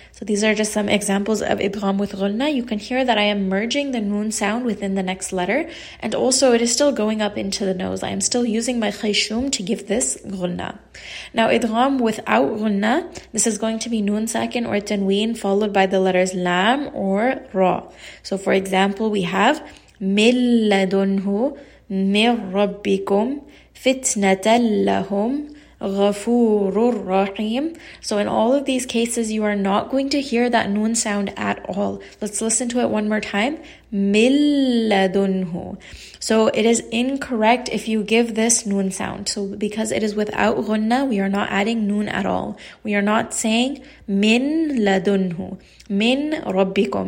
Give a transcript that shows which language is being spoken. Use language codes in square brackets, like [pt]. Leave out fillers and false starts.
[en] So these are just some examples of idgham with ghunna. You can hear that I am merging the noon sound within the next letter. And also it is still going up into the nose. I am still using my khayshum to give this ghunna. Now idgham without ghunna, this is going to be noon second or tanween followed by the letters lam or ra. So for example, we have [ar] مِن لَدُنْهُ مِن رَبِّكُمْ فِتْنَةً لَهُمْ غَفُورٌ رَحِيمٌ. [en] So in all of these cases, you are not going to hear that noon sound at all. Let's listen to it one more time. Milladunhu. So it is incorrect if you give this noon sound. So because it is without ghunna, we are not adding noon at all. We are not saying min ladunhu, min rabbikum.